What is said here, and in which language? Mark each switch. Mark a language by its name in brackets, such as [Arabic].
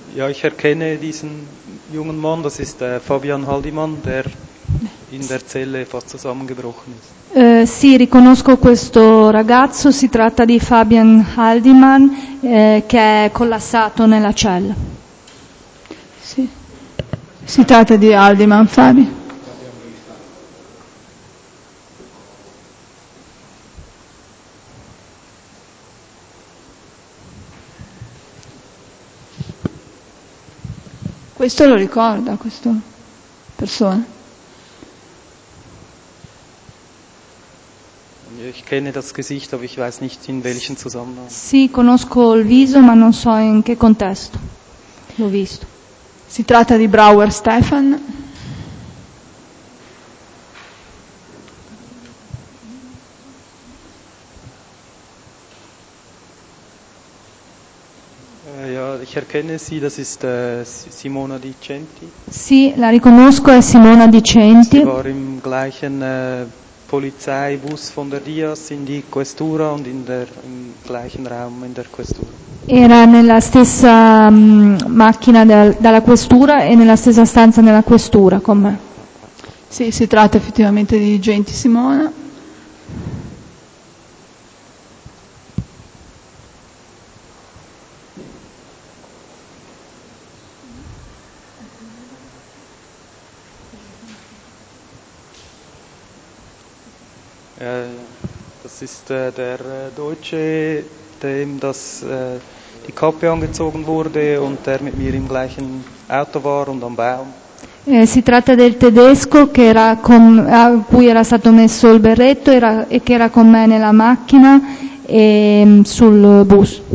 [German] Ja, ich erkenne diesen jungen Mann, das ist Fabian Haldimann, der in der Zelle fast zusammengebrochen ist. [Italian] Sì, riconosco questo ragazzo, si tratta di Fabian Haldimann, che è collassato nella cella. Sì. Si tratta di Haldimann, Fabi. Questo lo ricorda, questa persona? [German] Ich kenne das Gesicht, aber ich weiß nicht in welchen Zusammenhang. [Italian] Sì, conosco il viso, ma non so in che contesto l'ho visto. Si tratta di Brouwer Stefan. [German] Ja, ich erkenne sie, das ist Simona Di Centi. [Italian] Sì, la riconosco, è Simona Di Centi. [German] Sie war im gleichen Polizeibus von der Diaz in die Questura und im gleichen Raum in der Questura. [Italian] Era nella stessa macchina dalla questura e nella stessa stanza nella questura con me. Sì, si tratta effettivamente di Genti Simona. [German] Das ist der Deutsche, dem das die Kappe angezogen wurde und der mit mir im gleichen Auto war und am Baum. [Italian] Si tratta del tedesco che era a cui era stato messo il berretto e che era con me nella macchina e sul bus.